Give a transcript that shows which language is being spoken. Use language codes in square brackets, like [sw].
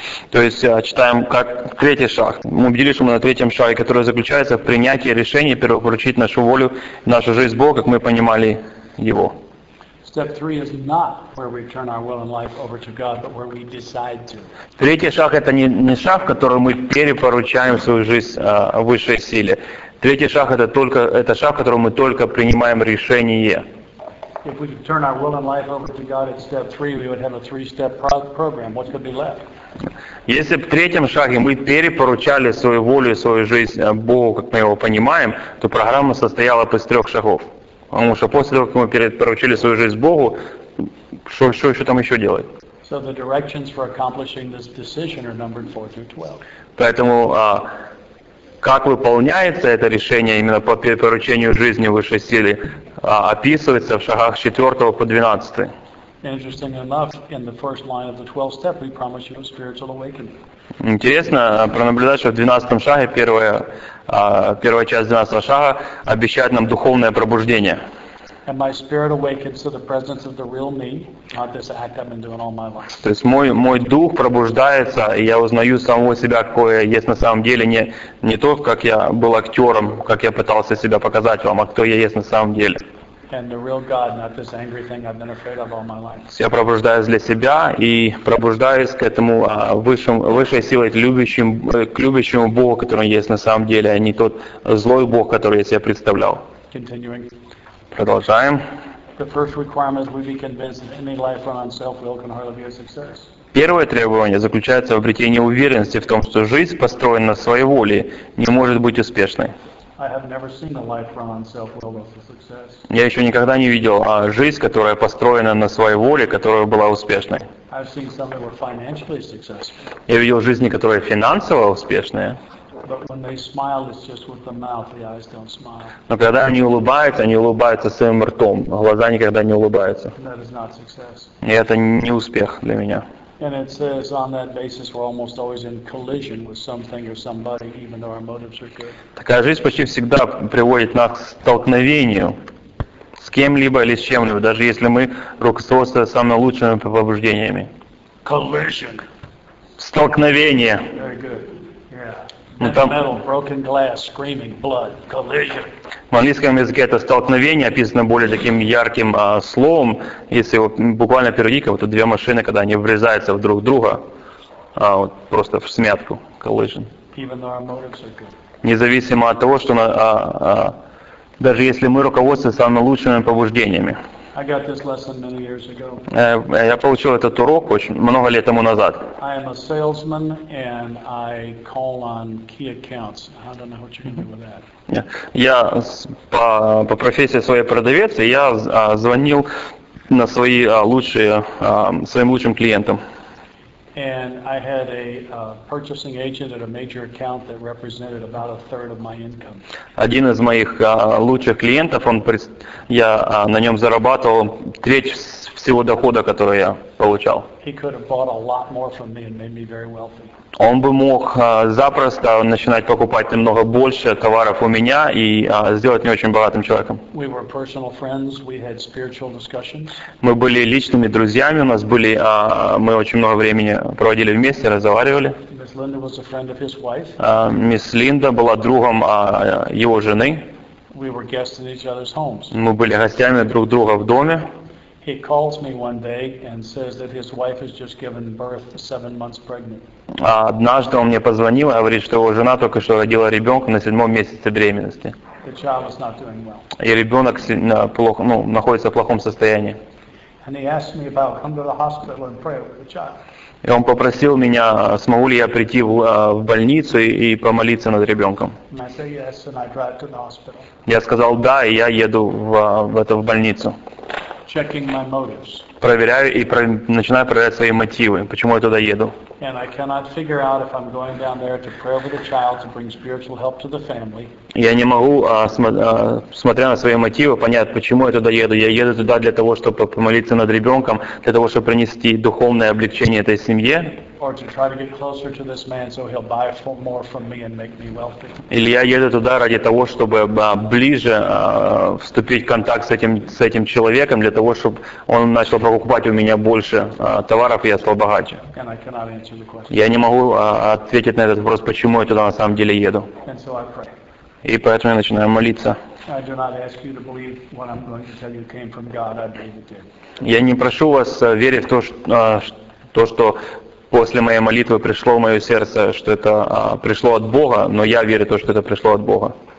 [ru] То есть читаем, как третий шаг. Мы убедились, что мы на третьем шаге, который заключается в принятии решения перепоручить нашу волю, нашу жизнь Богу, как мы понимали его. [en] Step three is not where we turn our will and life over to God, but where we decide to. [ru] Третий шаг это не шаг, в котором мы перепоручаем свою жизнь высшей силе. Третий шаг это шаг, в котором мы только принимаем решение. [en] If we turn our will and life over to God at step three, we would have a three-step program. What could be left? [ru] Если в третьем шаге мы перепоручали свою волю и свою жизнь Богу, как мы его понимаем, то программа состояла бы из трех шагов. Потому что после того, как мы поручили свою жизнь Богу, что еще там еще делать? [en] So the directions for accomplishing this decision are numbered 4 through 12. [ru] Поэтому, как выполняется это решение именно по перепоручению жизни высшей силы, описывается в шагах с 4 по 12. [en] Interestingly enough, in the first line of the 12th step, we promise you a spiritual awakening. [ru] Интересно пронаблюдать, что в 12-м шаге первая часть 12-го шага обещает нам духовное пробуждение. [en] And my spirit awakens to the presence of the real me, not this act I've been doing all my life. [ru] То есть мой дух пробуждается, и я узнаю самого себя, какой я есть на самом деле, не то, как я был актером, как я пытался себя показать вам, а кто я есть на самом деле. [en] And the real God, not this angry thing I've been afraid of all my life. [ru] Я пробуждаюсь для себя и пробуждаюсь к этому высшей силой, к любящему Богу, который есть на самом деле, а не тот злой Бог, который я себе представлял. [en] Continuing. [ru] Продолжаем. [en] The first requirement is we be convinced that any life run on self-will can hardly be a success. [ru] Первое требование заключается в обретении уверенности в том, что жизнь, построенная на своей воле, не может быть успешной. [en] I have never seen a life run on self-will as a success. [ru] Я еще никогда не видел жизнь, которая построена на своей воле, которая была успешной. [en] I've seen some that were financially successful. [ru] Я видел жизни, которые финансово успешные. [en] But when they smile, it's just with the mouth. The eyes don't smile. [ru] Но когда они улыбаются своим ртом. Глаза никогда не улыбаются. [en] That is not success. [ru] И это не успех для меня. [en] And it says on that basis we're almost always in collision with something or somebody, even though our motives are good. [ru] Такая жизнь почти всегда приводит нас к столкновению с кем-либо или с чем-либо, даже если мы руководствуемся самыми лучшими побуждениями. [en] Collision. [ru] Столкновение. [en] Very good. Yeah. Metal, broken glass, screaming blood, collision. [ru] В английском языке это столкновение описано более таким ярким словом, если вот буквально переводить, вот две машины, когда они врезаются в друг друга, вот просто в смятку, collision. [en] Even though our motives are good. [ru] Независимо от того, что даже если мы руководствуемся самыми лучшими побуждениями. [en] I got this lesson many years ago. [ru] Я получил этот урок очень много лет тому назад. [en] I am a salesman and I call on key accounts. I don't know what you're going to do with that. [ru] Я по профессии своей продавец, и я звонил на свои лучшие своим лучшим клиентам. [en] And I had a purchasing agent at a major account that represented about a third of my income. [ru] Один из моих лучших клиентов, я на нем зарабатывал треть всего дохода, который я получал. [en] He could have bought a lot more from me and made me very wealthy. [ru] Он бы мог запросто начинать покупать намного больше товаров у меня и сделать меня очень богатым человеком. [en] We were personal friends, we had spiritual discussions. [ru] Мы были личными друзьями, у нас были, мы очень много времени проводили вместе, разговаривали. [en] Miss Linda was a friend of his wife. [ru] Мисс Линда была другом его жены. [en] We were guests in each other's homes. [ru] Мы были гостями друг друга в доме. [en] He calls me one day and says that his wife has just given birth, 7 months pregnant. [ru] Однажды он мне позвонил и говорит, что его жена только что родила ребенка на 7-м месяце беременности. [en] The child is not doing well. [ru] И ребенок находится в плохом состоянии. [en] And he asked me about come to the hospital and pray over the child. [ru] И он попросил меня, смогу ли я прийти в больницу и помолиться над ребенком. [en] And I said yes, and I drive to the hospital. [ru] Я сказал да, и я еду в больницу. [en] Checking my motives. [ru] Проверяю и начинаю проверять свои мотивы, почему я туда еду. [en] And I cannot figure out if I'm going down there to pray over the child to bring spiritual help to the family. [ru] Я не могу, смотря на свои мотивы, понять, почему я туда еду. Я еду туда для того, чтобы помолиться над ребенком, для того, чтобы принести духовное облегчение этой семье. [en] Or to try to get closer to this man so he'll buy more from me and make me wealthy. [ru] Или я еду туда ради того, чтобы ближе вступить в контакт с этим человеком, для того, чтобы он начал покупать у меня больше товаров и я стал богаче. [en] And I cannot answer the question. [ru] Я не могу ответить на этот вопрос, почему я туда на самом деле еду. [en] And so I pray. [ru] И поэтому я начинаю молиться. [en] I do not ask you to believe what I'm going to tell you came from God. I believe it did. [ru] Я не прошу вас верить в то, что после моей молитвы пришло в мое сердце, что это пришло от Бога, но я верю в то, что это пришло от Бога.